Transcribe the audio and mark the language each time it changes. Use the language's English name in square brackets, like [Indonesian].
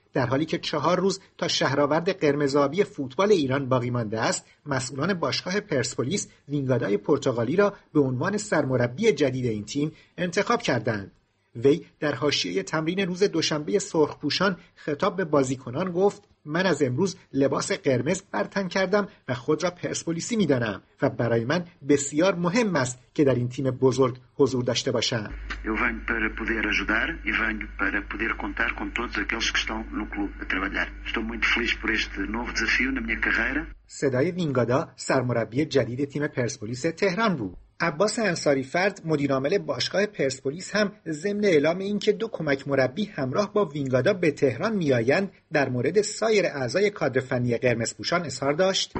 [Persian] در حالی که 4 روز تا شهرآورد قرمزآبی فوتبال ایران باقی مانده است، مسئولان باشگاه پرسپولیس وینگادای پرتغالی را به عنوان سرمربی جدید این تیم انتخاب کردند. وی در حاشیه تمرین روز دوشنبه سرخپوشان خطاب به بازیکنان گفت: من از امروز لباس قرمز برتن کردم و خود را پرسپولیسی می دانم و برای من بسیار مهم است که در این تیم بزرگ حضور داشته باشم. [Portuguese] Eu venho para poder ajudar e venho para poder contar com todos aqueles que estão no clube a trabalhar. Estou muito feliz por este novo desafio na minha carreira. [Persian] صدای وینگادا، سرمربی جدید تیم پرسپولیس تهران بود. عباس انصاری فرد، مدیر عامل باشگاه پرسپولیس، هم ضمن اعلام اینکه 2 کمک مربی همراه با وینگادا به تهران می‌آیند، در مورد سایر اعضای کادر فنی قرمزپوشان اظهار داشت: